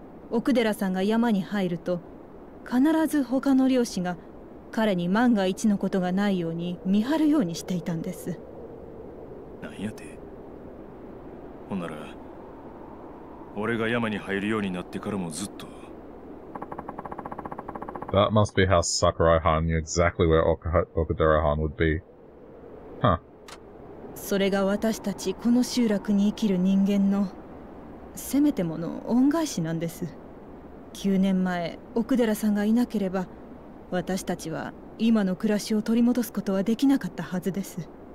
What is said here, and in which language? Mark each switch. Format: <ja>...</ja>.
<ja>奥寺さんが山に入ると必ず他の漁師が彼に万が一のことがないように見張るようにしていたんです。なんやて。ほんなら俺が山に入るようになってからもずっと。</ja> <en>That must be how Sakurai-han knew exactly where Okudera-han would be. Huh.</en> <ja>それが私たちこの集落に生きる人間のせめてもの恩返しなんです。 9年前奥寺さんがいなければ私たちは今の暮らしを取り戻すことはできなかったはずです。</ja>